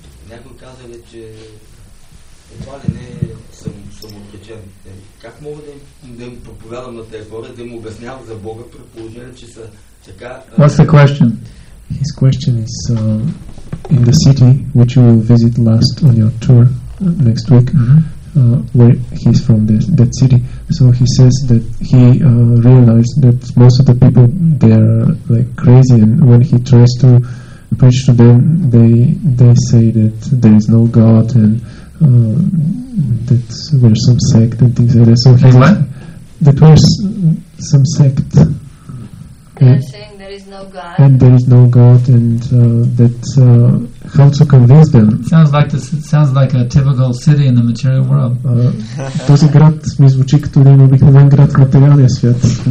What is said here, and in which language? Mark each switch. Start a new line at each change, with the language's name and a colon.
Bulgarian: Някой каза ли, че едва ли не съм отречен. Как мога да им проповядам на тези хора, да им обяснявам за Бога, при положение, че са така...
English: What's the question? His question is, in the city, which you will visit last on your tour next week, where he's from that city. So he says that he realized that most of the people, they are like crazy, and when he tries to preach to them, they say that there is no God and that we're some sect and things like that. So he's what? That we're some sect. They're saying there is no God. And there is no God and that how to convince them? Sounds like a typical city in the material world.
Bulgarian: Този град ми звучи като един обикновен град в материалния свят.